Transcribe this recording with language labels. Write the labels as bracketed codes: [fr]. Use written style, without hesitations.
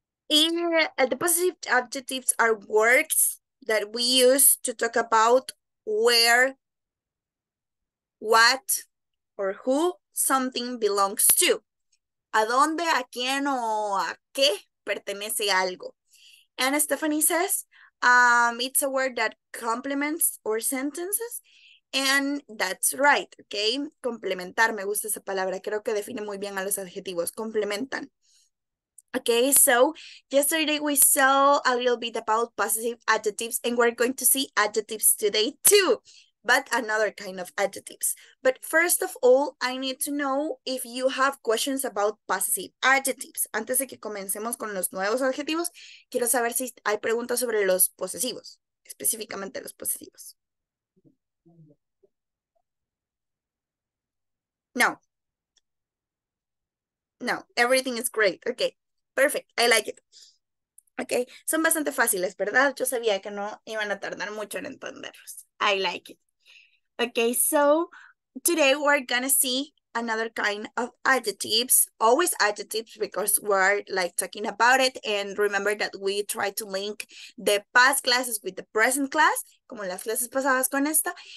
[en] The positive adjectives are words that we use to talk about where, what, or who something belongs to. [es] ¿A dónde, a quién, o a qué pertenece algo? [en] And Stephanie says, it's a word that complements our sentences, and that's right, okay? [es] Complementar, me gusta esa palabra. Creo que define muy bien a los adjetivos, complementan. [en] Okay, so yesterday we saw a little bit about positive adjectives, and we're going to see adjectives today too, but another kind of adjectives. But first of all, I need to know if you have questions about possessive adjectives. [es] Antes de que comencemos con los nuevos adjetivos, quiero saber si hay preguntas sobre los posesivos, específicamente los posesivos. No. [en] No, everything is great. Okay, perfect. I like it. Okay, [es] son bastante fáciles, ¿verdad? Yo sabía que no iban a tardar mucho en entenderlos. [en] I like it. Okay, so today we're gonna see another kind of adjectives, always adjectives, because we're like talking about it. And remember that we try to link the past classes with the present class, [es] como las clases pasadas con esta.